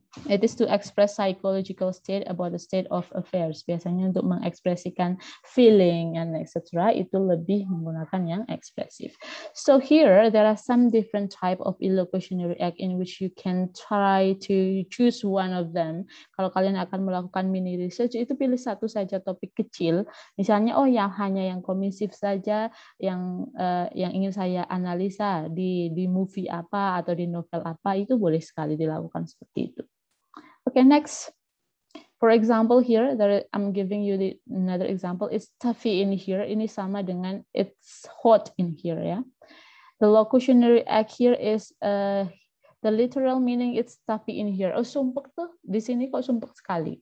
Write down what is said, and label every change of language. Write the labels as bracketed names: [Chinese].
[English] It is to express psychological state about the state of affairs. [Indonesian] Biasanya untuk mengekspresikan [English] feeling and etc. [Indonesian] itu lebih menggunakan yang expressive. [English] So here there are some different type of illocutionary act in which you can try to choose one of them. [Indonesian] Kalau kalian akan melakukan mini research, itu pilih satu saja topik kecil. Misalnya, oh ya, hanya yang komisif saja yang ingin saya analisa di movie apa atau di novel apa, itu boleh sekali dilakukan seperti itu. [English] Okay, next. For example, here that I'm giving you another example. It's stuffy in here. [Indonesian] Ini sama dengan [English] it's hot in here. Yeah, the locutionary act here is the literal meaning. It's stuffy in here. [Indonesian] Oh, sumpek tuh di sini kok sumpek sekali.